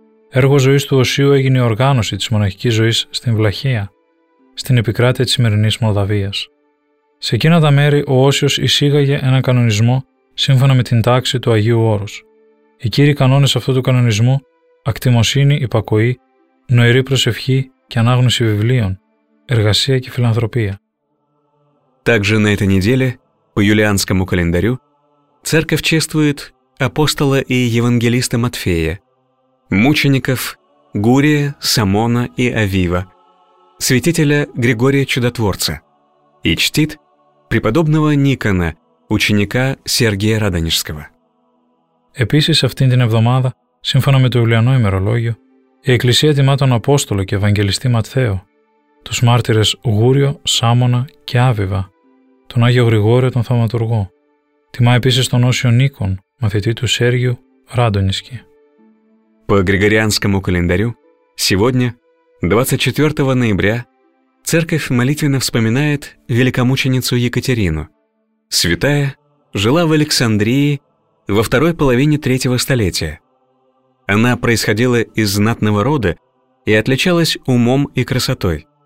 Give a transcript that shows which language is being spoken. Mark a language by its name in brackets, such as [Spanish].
[Greek] Έργο ζωής του Οσίου έγινε η οργάνωση της μοναχικής ζωής στην Βλαχία, στην επικράτεια της σημερινής Μολδαβίας. Σε εκείνα τα μέρη ο Όσιος εισήγαγε ένα κανονισμό σύμφωνα με την τάξη του Αγίου Όρους. Οι κύριοι κανόνες αυτού του κανονισμού: ακτιμοσύνη, υπακοή, νοηρή προσευχή και ανάγνωση βιβλίων, εργασία και φιλανθρωπία. [Russian] Также на этой неделе по юлианскому календарю церковь чествует апостола и евангелиста Матфея, мучеников Гурия, Самона и Авива, святителя Григория Чудотворца, и чтит преподобного Никона, ученика Сергия Радонежского. [Greek] Επίσης αυτήν την εβδομάδα, σύμφωνα με το Ιουλιανό ημερολόγιο, η Εκκλησία τιμά τον Απόστολο και Ευαγγελιστή Ματθαίο, τους μάρτυρες Γούριο, Σάμωνα και Άβιβα, τον Άγιο Γρηγόριο τον Θαυματουργό. Τιμά επίσης τον Όσιο Νίκον, μαθητή του Σέργιου Ράντονισκη. [Russian] По Григорианскому календарю, сегодня, 24 ноября, Церковь молитвенно вспоминает великомученицу Екатерину. Святая жила в Александрии во второй половине третьего столетия. Она происходила из знатного рода и отличалась умом и красотой.